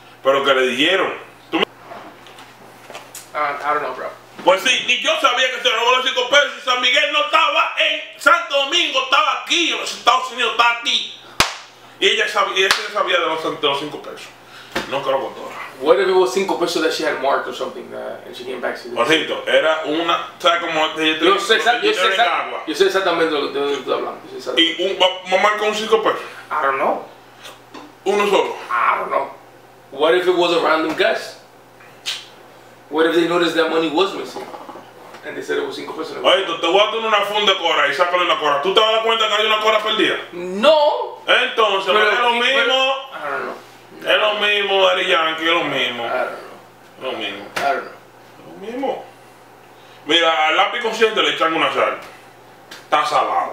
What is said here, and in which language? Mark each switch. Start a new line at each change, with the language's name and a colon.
Spanish: Pero que le dijeron.
English: I don't know, bro.
Spanish: Pues sí, ni yo sabía que se robó los 5 pesos y San Miguel no estaba en Santo Domingo, estaba aquí, en los Estados Unidos, estaba aquí. Y ella sabía, de los 5 pesos. No creo con todo.
English: What if it was 5 pesos that she had marked or something, and she came back to this?
Spanish: Jorgito, era una, ¿sabes cómo? Yo sé exactamente lo que estoy hablando. ¿Y un, me marcó un 5 pesos?
English: I don't know.
Spanish: ¿Uno solo?
English: I don't know. What if it was a random guess? What if they noticed that money was missing? And they said it was 5 pesos.
Spanish: Oye, te voy a dar una funda de cora y sácale una cora. ¿Tú te vas a dar cuenta que hay una cora perdida? No. Entonces, pero es lo mismo.
English: I don't know.
Spanish: Es lo mismo, Daddy Yankee, es lo mismo.
English: I don't know.
Spanish: Mira, al lápiz consciente le echan una sal. Está salado.